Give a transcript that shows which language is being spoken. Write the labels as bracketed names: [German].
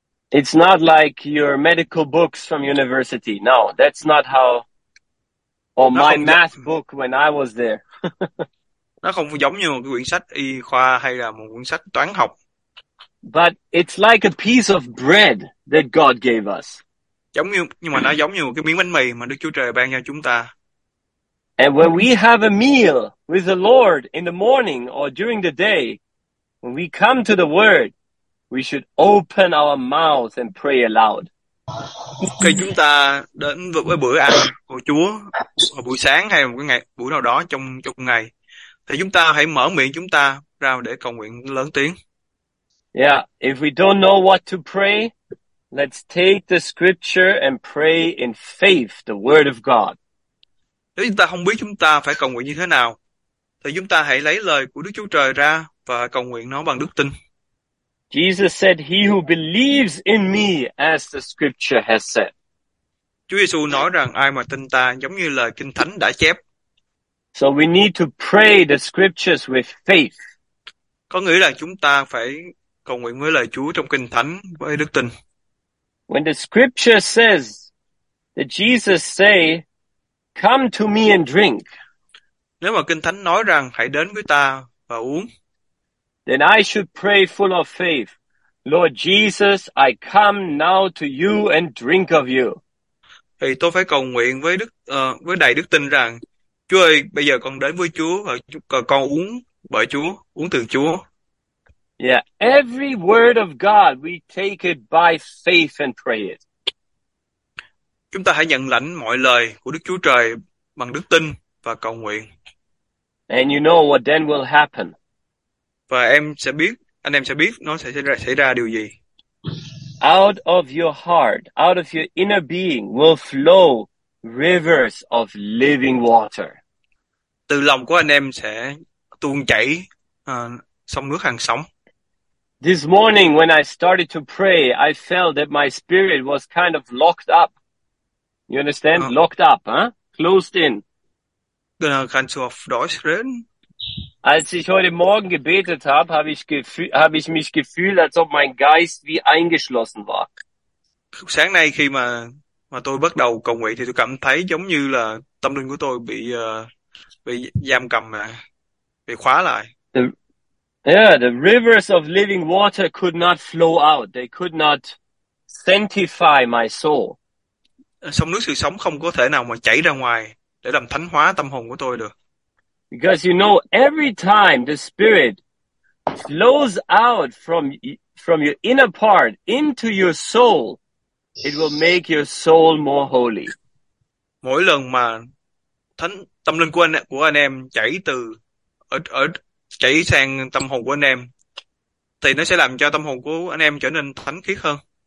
[English] It's not like your medical books from university. No, that's not how. Or my math book when I was there. [Vietnamese] Nó không giống như một cái quyển sách y khoa hay là một quyển sách toán học. [English] But it's like a piece of bread that God gave us. [Vietnamese] Giống như, nhưng mà nó giống như một cái miếng bánh mì mà Đức Chúa Trời ban cho chúng ta. [English] And when we have a meal with the Lord in the morning or during the day, when we come to the Word, we should open our mouth and pray aloud. [Vietnamese] Khi chúng ta đến với bữa ăn của Chúa vào buổi sáng hay một cái ngày buổi nào đó trong ngày, thì chúng ta hãy mở miệng chúng ta ra để cầu nguyện lớn tiếng. [English] Yeah, if we don't know what to pray, let's take the scripture and pray in faith, the word of God. [Vietnamese] Nếu chúng ta không biết chúng ta phải cầu nguyện như thế nào, thì chúng ta hãy lấy lời của Đức Chúa Trời ra và cầu nguyện nó bằng đức tin. [English] Jesus said, he who believes in me, as the scripture has said. [Vietnamese] Chúa Giêsu nói rằng ai mà tin ta giống như lời Kinh Thánh đã chép. [English] So we need to pray the scriptures with faith. [Vietnamese] Có nghĩa là chúng ta phải cầu nguyện với lời Chúa trong Kinh Thánh với đức tin. [English] When the scripture says that Jesus say, come to me and drink. [Vietnamese] Nếu mà Kinh Thánh nói rằng hãy đến với ta và uống. [English] Then I should pray full of faith. Lord Jesus, I come now to you and drink of you. [Vietnamese] Thì tôi phải cầu nguyện với với đầy đức tin rằng Chúa ơi, bây giờ con đến với Chúa và con uống bởi Chúa, uống từ Chúa. [English] Yeah, every word of God, we take it by faith and pray it. [Vietnamese] Chúng ta hãy nhận lãnh mọi lời của Đức Chúa Trời bằng đức tin và cầu nguyện. [English] And you know what then will happen. [Vietnamese] Và em sẽ biết, anh em sẽ biết nó sẽ xảy ra điều gì. [English] Out of your heart, out of your inner being will flow rivers of living water. [Vietnamese] Từ lòng của anh em sẽ tuôn chảy sông nước hằng sống. [English] This morning when I started to pray, I felt that my spirit was kind of locked up. You understand? Locked up, huh? Closed in. [German] Kannst du auf Deutsch reden? Als ich heute Morgen gebetet habe, habe ich mich gefühlt, als ob mein Geist wie eingeschlossen war. [Vietnamese] Sáng nay khi mà tôi bắt đầu cầu nguyện thì tôi cảm thấy giống như là tâm linh của tôi bị giam cầm mà, bị khóa lại. [English] Yeah, the rivers of living water could not flow out. They could not sanctify my soul. [Vietnamese] Sông nước sự sống không có thể nào mà chảy ra ngoài để làm thánh hóa tâm hồn của tôi được. [English] Because you know, every time the spirit flows out from your inner part into your soul, it will make your soul more holy. [Vietnamese] Mỗi lần mà thánh tâm linh của anh em chảy từ ở ở chảy sang tâm hồn của anh em, thì nó sẽ làm cho tâm hồn của anh em trở nên thánh khiết hơn.